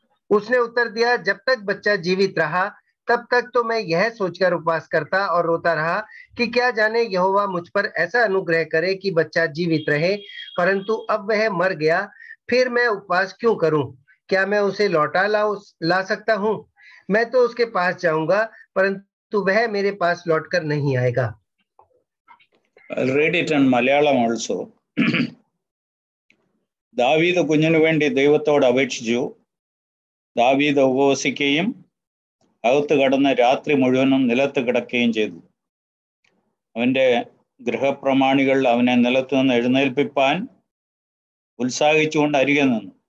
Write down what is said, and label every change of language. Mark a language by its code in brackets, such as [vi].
[hi] उसने उत्तर दिया, जब तक बच्चा जीवित रहा तब तक तो मैं यह सोचकर उपवास करता और रोता रहा कि क्या जाने यहोवा मुझ पर ऐसा अनुग्रह करे कि बच्चा जीवित रहे, परंतु अब वह मर गया, फिर मैं उपवास क्यों करूं? क्या मैं उसे लौटा ला सकता हूं? मैं तो उसके पास जाऊंगा, परंतु वह मेरे पास लौटकर नहीं आएगा. [en] I'll read it in Malayalam also. [ml] ദാവീദ് കുഞ്ഞിനു വേണ്ടി ദൈവത്തോട് അപേക്ഷിച്ചു. ദാവീദ് ഉപവസിക്കുകയും അകത്ത് കടന്ന് രാത്രി മുഴുവനും നിലത്ത് കിടക്കുകയും ചെയ്തു. അവൻ്റെ ഗൃഹപ്രമാണികൾ അവനെ നിലത്ത് നിന്ന് എഴുന്നേൽപ്പിപ്പാൻ ഉത്സാഹിച്ചുകൊണ്ട് അരികെ നിന്നു.